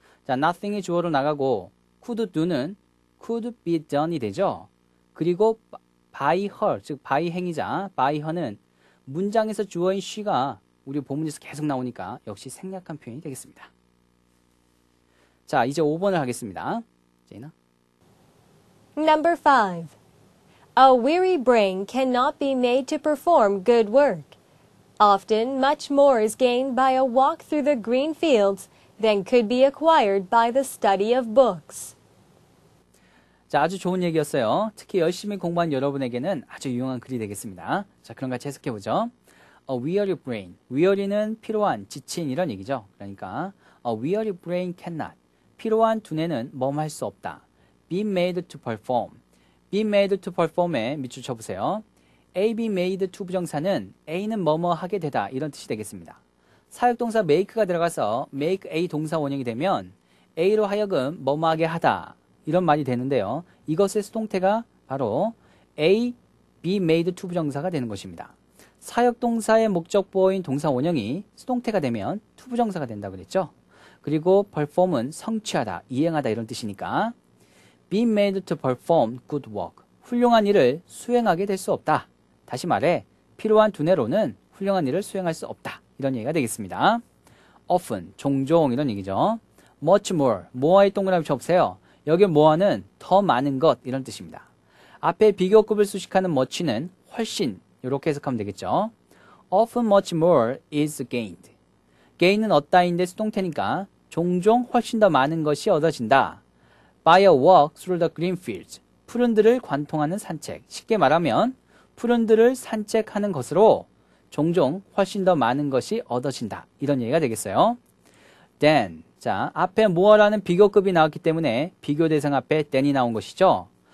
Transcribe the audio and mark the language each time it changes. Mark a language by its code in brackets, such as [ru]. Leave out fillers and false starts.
[ko] 자, nothing이 주어로 나가고 could do는 could be done이 되죠. 그리고 by her, 즉 by 행위자, by her는 문장에서 주어인 she가 우리 본문에서 계속 나오니까 역시 생략한 표현이 되겠습니다. 자, 이제 5번을 하겠습니다. 제이나. [en] Number 5. A weary brain cannot be made to perform good work. Often much more is gained by a walk through the green fields than could be acquired by the study of books. [ko] 자, 아주 좋은 얘기였어요. 특히 열심히 공부한 여러분에게는 아주 유용한 글이 되겠습니다. 자, 그럼 같이 해석해 보죠. [en] A weary brain. [ko] Weary는 피로한, 지친 이런 얘기죠. [en] 그러니까 A weary brain cannot. [ko] 피로한 두뇌는 뭐뭐 할 수 없다. [en] Be made to perform. Be made to perform에 [ko] 밑줄 쳐보세요. A be made to 부정사는 A는 뭐뭐 하게 되다 이런 뜻이 되겠습니다. 사역동사 make가 들어가서 make A 동사 원형이 되면 A로 하여금 뭐뭐 하게 하다 이런 말이 되는데요. 이것의 수동태가 바로 A be made to 부정사가 되는 것입니다. 사역동사의 목적보어인 동사원형이 수동태가 되면 투부정사가 된다고 그랬죠. 그리고 perform은 성취하다, 이행하다 이런 뜻이니까 [en] be made to perform good work. [ko] 훌륭한 일을 수행하게 될 수 없다. 다시 말해 필요한 두뇌로는 훌륭한 일을 수행할 수 없다. 이런 얘기가 되겠습니다. often, 종종 이런 얘기죠. much more, 모아의 동그라미 쳐보세요. 여기 모아는 더 많은 것 이런 뜻입니다. 앞에 비교급을 수식하는 much는 훨씬 이렇게 해석하면 되겠죠. [en] often much more is gained. [ko] gain은 얻다인데 수동태니까 종종 훨씬 더 많은 것이 얻어진다. [en] by a walk through the green fields. [ko] 푸른들을 관통하는 산책. 쉽게 말하면 푸른들을 산책하는 것으로 종종 훨씬 더 많은 것이 얻어진다. 이런 얘기가 되겠어요. then. 자, 앞에 more라는 비교급이 나왔기 때문에 비교 대상 앞에 then이 나온 것이죠.